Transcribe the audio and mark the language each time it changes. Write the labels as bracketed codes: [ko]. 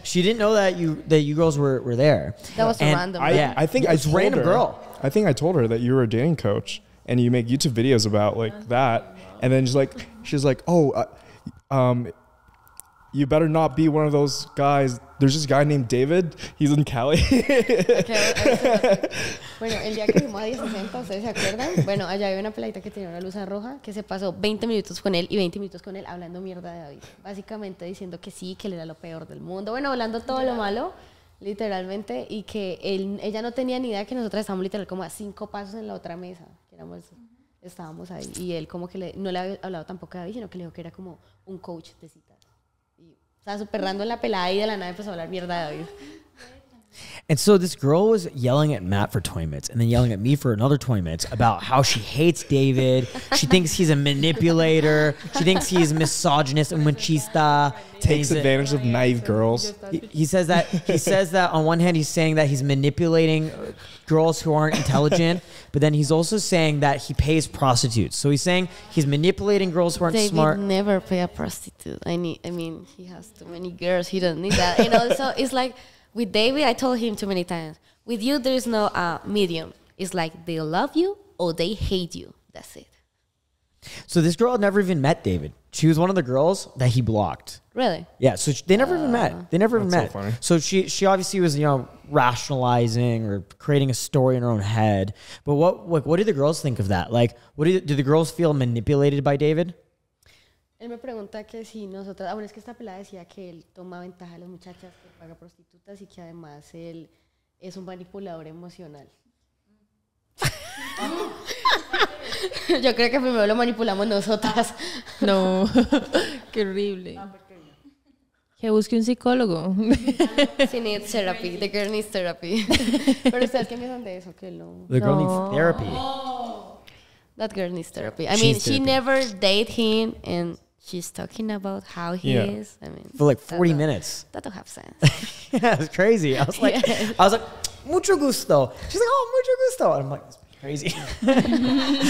[en] She didn't know that you girls were there. That was random. I think it's random her, girl. I think I told her that you were a dating coach and you make YouTube videos about like that. And then she's like, you better not be one of those guys. There's this guy named David. He's in Cali. [es] Bueno, el día que fuimos a 1060, ¿ustedes se acuerdan? Bueno, allá había una peladita que tenía una luz roja que se pasó 20 minutos con él y 20 minutos con él hablando mierda de David. Básicamente diciendo que sí, que él era lo peor del mundo. Bueno, hablando todo lo malo, literalmente, y que ella no tenía ni idea que nosotros estábamos literal como a 5 pasos en la otra mesa. Que éramos, estábamos ahí. Y él como que no le había hablado tampoco a David, sino que le dijo que era como un coach de cita. [en] And so this girl was yelling at Matt for 20 minutes and then yelling at me for another 20 minutes about how she hates David. She thinks he's a manipulator. She thinks he's misogynist and machista. Takes advantage of naive girls. He says that on one hand, he's saying that he's manipulating girls who aren't intelligent, but then he's also saying that he pays prostitutes. So he's saying he's manipulating girls who aren't David smart. David never pay a prostitute. I mean, he has too many girls. He doesn't need that. And also, it's like, with David, I told him too many times, with you, there's no medium. It's like, they love you or they hate you. That's it. So this girl had never even met David. She was one of the girls that he blocked. Really? Yeah, so they never even met. They never even met. That's so funny. So she obviously was, you know, rationalizing or creating a story in her own head. But what do the girls think of that? Like, do the girls feel manipulated by David? [es] Él me pregunta que si nosotras... Ah, bueno, es que esta pelada decía que él toma ventaja a las muchachas, que paga prostitutas y que además él es un manipulador emocional. Yo creo que primero lo manipulamos nosotras. No. Qué horrible. Que busque un psicólogo. [en] She needs therapy. The girl needs therapy. [es] Pero ustedes, ¿qué piensan de eso? Que no. [en] The girl needs therapy. That girl needs therapy. I mean, she never dated him and she's talking about how he is. I mean, for like 40 minutes. That don't have sense. Yeah, it's crazy. I was like, I was like, [es] mucho gusto. [en] She's like, oh, [es] mucho gusto. [en] And I'm like, it's crazy.